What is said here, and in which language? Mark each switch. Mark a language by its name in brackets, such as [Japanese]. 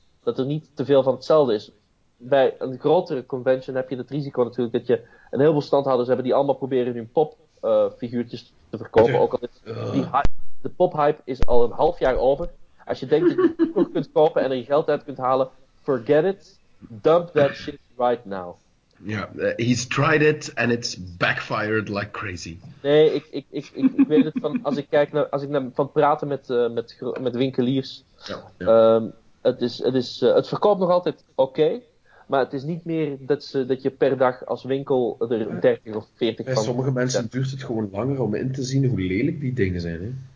[Dutch] Dat er niet te veel van hetzelfde is. Bij een grotere convention heb je het risico natuurlijk dat je een heleboel standhouders hebben die allemaal proberen hun popfiguurtjes te verkopen. Ook al is de pophype is al een half jaar over. Als je denkt dat je het nog kunt kopen en er je geld uit kunt halen, [English] forget it. Dump that shit right now. Ja, yeah, he's tried it and it's backfired like crazy. [Dutch] Nee, ik weet het van als ik kijk naar, als ik naar, van praten met winkeliers. [English] Yeah, yeah. [Dutch] Het verkoopt nog altijd oké, maar het is niet meer dat je per dag als winkel er 30 of 40 van... Sommige mensen duurt het gewoon langer om in te zien hoe lelijk die dingen zijn, hè?